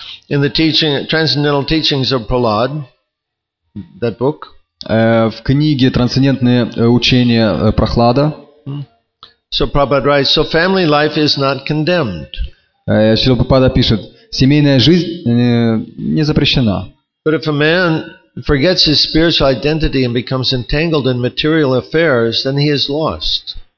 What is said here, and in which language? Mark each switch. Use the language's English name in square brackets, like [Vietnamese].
[English] In the teaching, Transcendental Teachings of Prahlad, that book. [Russian] В книге «Трансцендентные учения Прахлада». [English] So Prabhupada writes, so family life is not condemned. [Russian] Шрила Прабхупада пишет, семейная жизнь не запрещена. [English] But if a man forgets his spiritual identity and becomes entangled in material affairs, then he is lost.